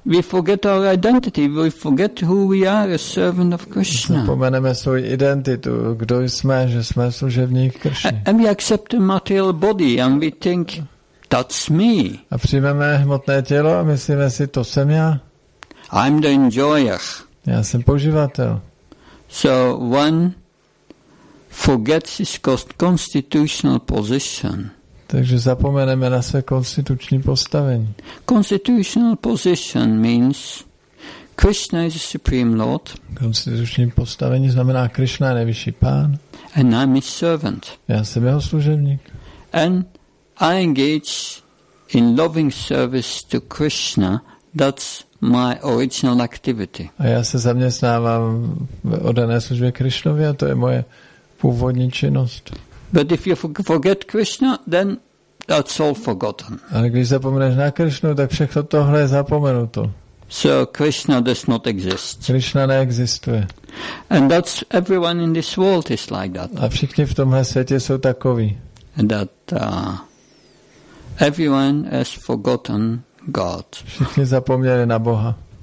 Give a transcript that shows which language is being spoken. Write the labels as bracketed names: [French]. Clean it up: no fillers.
[English] We forget our identity, we forget who we are, a servant of Krishna. [Czech] Zapomeneme svou identitu, kdo jsme, že jsme služebník Kršny. [English] And we accept a material body and we think, that's me. [Czech] A přijmeme hmotné tělo a myslíme si, to jsem já. [English] I'm the enjoyer. [Czech] Já jsem poživatel. [English] So one forgets his constitutional position. [Czech] Takže zapomeneme na své konstituční postavení. [English] Constitutional position means Krishna is the supreme lord. [Czech] Konstituční postavení znamená Krishna je nejvyšší pán. [English] And I'm his servant. [Czech] Já jsem jeho služebník. [English] And I engage in loving service to Krishna. That's my original activity. [Czech] A já se zaměstnávám v oddané službě Krišnovi a to je moje původní činnost. [English] But if you forget Krishna, then that's all forgotten. [Czech] Ale když zapomeneš na Krishnu, tak všechno tohle je zapomenuto. [English] So Krishna does not exist. [Czech] Krishna neexistuje. [English] And that's everyone in this world is like that. [Czech] A všichni v tomhle světě jsou takoví. [English] And that everyone has forgotten God. [Czech] Všichni zapomněli na Boha.